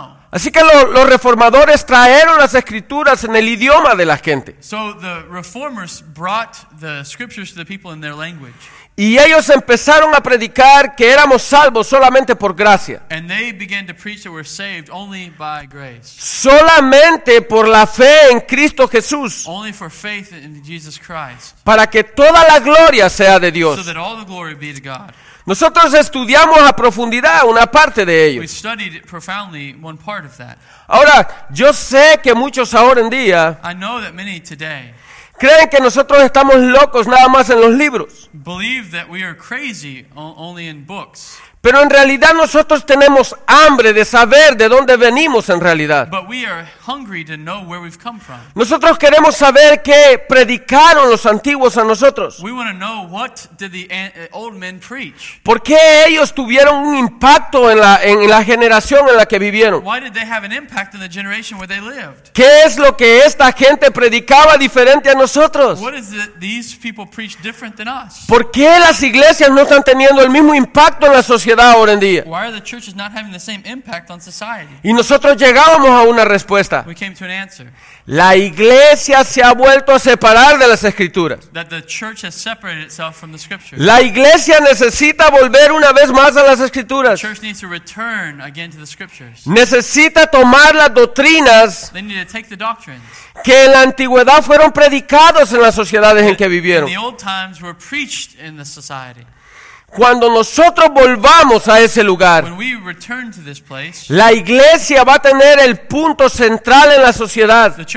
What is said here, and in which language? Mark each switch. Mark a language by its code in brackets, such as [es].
[es] Así que los reformadores trajeron las escrituras en el idioma de la gente. [en] So the reformers brought the scriptures to the people in their language. [es] Y ellos empezaron a predicar que éramos salvos solamente por gracia. [en] And they began to preach that we're saved only by grace. [es] Solamente por la fe en Cristo Jesús. [en] Only for faith in Jesus Christ. [es] Para que toda la gloria sea de Dios. [en] So that all the glory be to God. [es] Nosotros estudiamos a profundidad una parte de ellos. [en] We studied profoundly one part of that. [es] Ahora, yo sé que muchos ahora en día. [en] I know that many today. [es] Creen que nosotros estamos locos nada más en los libros. [en] Believe that we are crazy only in books. [es] Pero en realidad nosotros tenemos hambre de saber de dónde venimos en realidad. [en] But we are hungry to know where we've come from. [es] Nosotros queremos saber qué predicaron los antiguos a nosotros. [en] We want to know what did the old men preach. [es] ¿Por qué ellos tuvieron un impacto en la generación en la que vivieron? [en] Why did they have an impact in the generation where they lived? [es] ¿Qué es lo que esta gente predicaba diferente a nosotros? [en] What is it these people preach different than us? [es] ¿Por qué las iglesias no están teniendo el mismo impacto en la sociedad ahora en día? [en] Why are the churches not having the same impact on society? [es] Y nosotros llegábamos a una respuesta. [en] We came to an answer. [es] La iglesia se ha vuelto a separar de las escrituras. [en] That the church has separated itself from the scriptures. [es] La iglesia necesita volver una vez más a las escrituras. [en] The church needs to return again to the scriptures. [es] Necesita tomar las doctrinas. [en] They need to take the doctrines. [es] Que en la antigüedad fueron predicados en las sociedades en que vivieron. [en] In the old times were preached in the society. [es] Cuando nosotros volvamos a ese lugar, [en] place, [es] la iglesia va a tener el punto central en la sociedad.